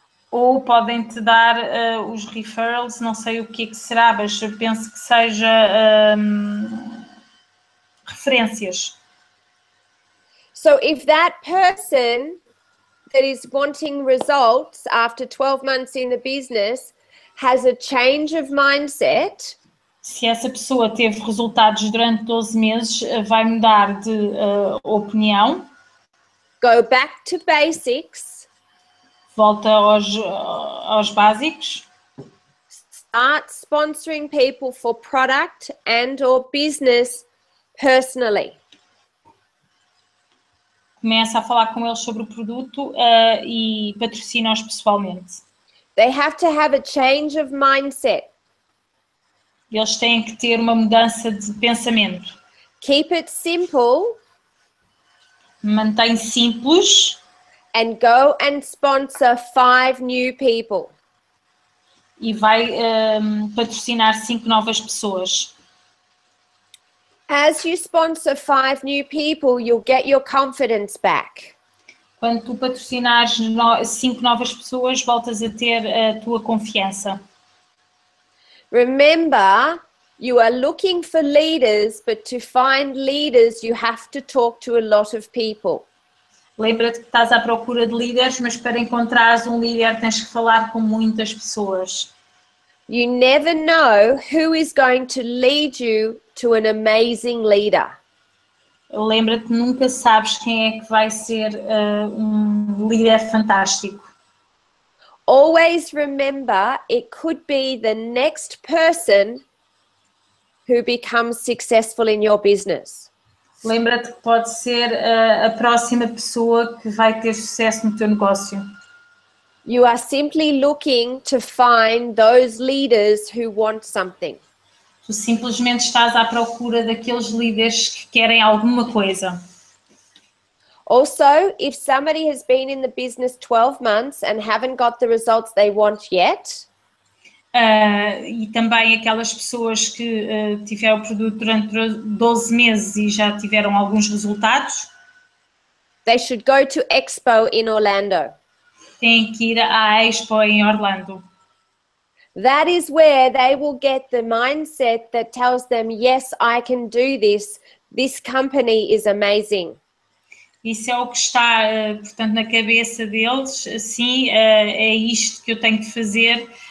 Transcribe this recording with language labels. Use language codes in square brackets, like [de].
[pt] Ou podem te dar os referrals, não sei o que é que será, mas eu penso que seja referências. [en] So if that person that is wanting results after 12 months in the business has a change of mindset. [pt] Se essa pessoa teve resultados durante 12 meses, vai mudar de opinião. [en] Go back to basics. [pt] Volta aos básicos. [en] Start sponsoring people for product and or business personally. [pt] Começa a falar com eles sobre o produto e patrocina-os pessoalmente. [en] They have to have a change of mindset. [pt] Eles têm que ter uma mudança de pensamento. [en] Keep it simple. [pt] Mantém simples. [en] And go and sponsor 5 new people. [pt] E vai patrocinar 5 novas pessoas. [en] As you sponsor 5 new people, you'll get your confidence back. [pt] Quando tu patrocinares 5 novas pessoas, voltas a ter a tua confiança. [en] Remember, you are looking for leaders, but to find leaders, you have to talk to a lot of people. [pt] Lembra-te que estás à procura de líderes, mas para encontrares líder, tens que falar com muitas pessoas. [en] You never know who is going to lead you to an amazing leader. [pt] Lembra-te, nunca sabes quem é que vai ser líder fantástico. [en] Always remember, it could be the next person who becomes successful in your business. [pt] Lembra-te que pode ser a próxima pessoa que vai ter sucesso no teu negócio. [en] You are simply looking to find those leaders who want something. [pt] Tu simplesmente estás à procura daqueles líderes que querem alguma coisa. [en] Also, if somebody has been in the business 12 months and haven't got the results they want yet. [pt] E também aquelas pessoas que tiveram o produto durante 12 meses e já tiveram alguns resultados. [en] They should go to Expo in Orlando. [pt] Têm que ir à Expo em Orlando. [en] That is where they will get the mindset that tells them, yes, I can do this. This company is amazing. [pt] Isso é o que está, portanto, na cabeça deles. Sim, é isto que eu tenho que fazer.